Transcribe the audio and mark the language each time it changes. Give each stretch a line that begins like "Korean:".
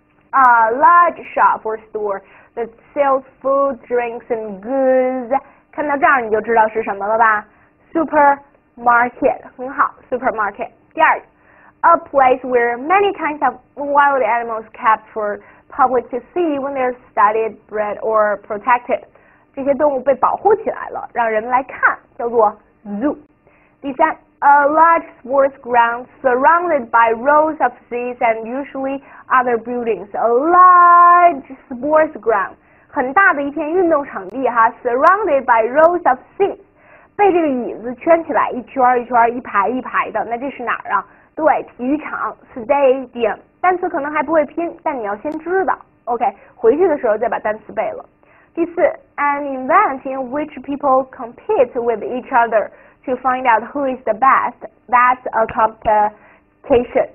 English: A large shop or store that sells food, drinks, and goods.
Chinese: 看到这儿你就知道是什么了吧 ？Supermarket， 很好 ，supermarket。第二
English: ，a place where many kinds of wild animals kept for public to see when they're studied, bred, or protected.
Chinese: 这些动物被保护起来了，让人们来看，叫做 zoo。
English: 第三 ，a large sports ground surrounded by rows of seats and usually other buildings. A large sports ground，
Chinese: 很大的一片运动场地哈 ，
English: surrounded by rows of seats，
Chinese: 被这个椅子圈起来，一圈一圈，一排一排的。那这是哪儿啊？对，体育场 ，stadium。单词可能还不会拼，但你要先知道 ，OK， 回去的时候再把单词背了。第四
English: ，an event in which people compete with each other。 To find out who is the best, that's a competition.